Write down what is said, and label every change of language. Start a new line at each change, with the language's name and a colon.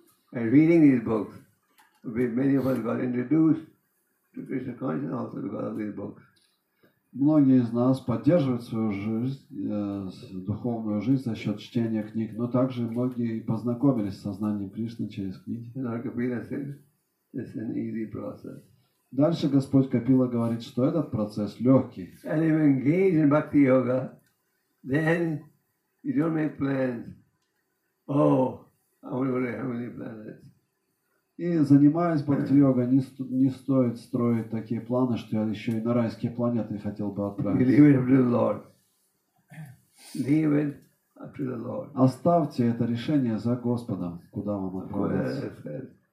English: Many of us got introduced to Krishna consciousness also because of these books.
Russian: Многие из нас поддерживают свою жизнь, духовную жизнь за счет чтения книг, но также многие познакомились с сознанием Кришны через книги.
English: And our Kapila said, it's an easy process.
Russian: Дальше Господь Капила говорит, что этот процесс легкий.
English: And if you engage in bhakti yoga, then you don't make plans. Oh, I want to go to heavenly planets.
Russian: И занимаясь бхакти-йогой, не стоит строить такие планы, что я еще и на райские планеты хотел бы отправиться.
English: Leave it up to the Lord. Leave it up to the Lord.
Russian: Оставьте это решение за Господом, куда вам отправиться.